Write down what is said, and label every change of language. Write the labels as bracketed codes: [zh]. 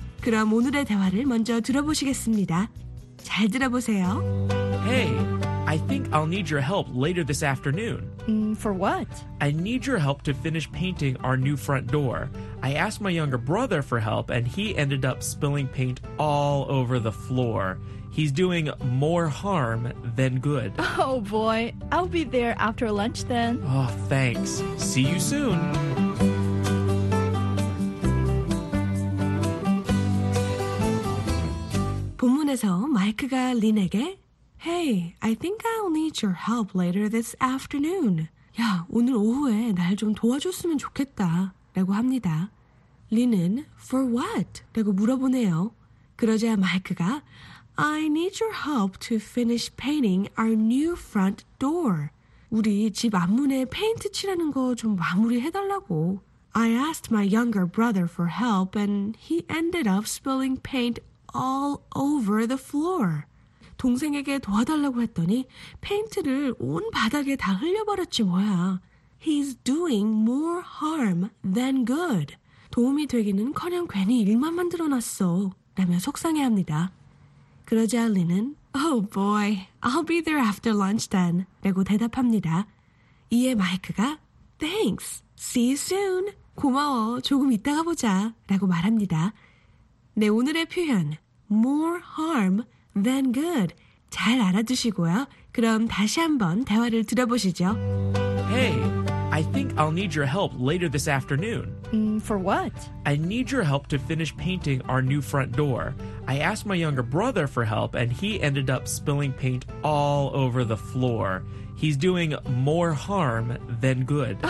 [ko] 그럼 오늘의 대화를 먼저 들어보시겠습니다. 잘 들어보세요. [en] Hey, I think I'll need your help later this afternoon. For what? I need your help to finish painting our new front door. I asked my younger brother for help, and he ended up spilling paint all over the floor. He's doing more harm than good. Oh, boy. I'll be there after lunch, then. Oh, thanks. See you soon. [ko] 본문에서 마이크가 린에게 [en] Hey, I think I'll need your help later this afternoon. [ko] 야, 오늘 오후에 날 좀 도와줬으면 좋겠다 라고 합니다. 린은 [en] for what? [ko] 라고 물어보네요. 그러자 마이크가 [en] I need your help to finish painting our new front door. [ko] 우리 집 앞문에 페인트 칠하는 거 좀 마무리해달라고. [en] I asked my younger brother for help and he ended up spilling paint all over the floor. [ko] 동생에게 도와달라고 했더니 페인트를 온 바닥에 다 흘려버렸지 뭐야. [en] He's doing more harm than good. [ko] 도움이 되기는커녕 괜히 일만 만들어놨어. 라며 속상해합니다. 그러자 리는 [en] Oh boy, I'll be there after lunch then. [ko] 라고 대답합니다. 이에 마이크가 [en] Thanks, see you soon. [ko] 고마워, 조금 이따가 보자. 라고 말합니다. 네, 오늘의 표현 [en] More harm than good. [ko] 잘 알아두시고요. 그럼 다시 한번 대화를 들어보시죠. [en] Hey, I think I'll need your help later this afternoon. For what? I need your help to finish painting our new front door. I asked my younger brother for help, and he ended up spilling paint all over the floor. He's doing more harm than good.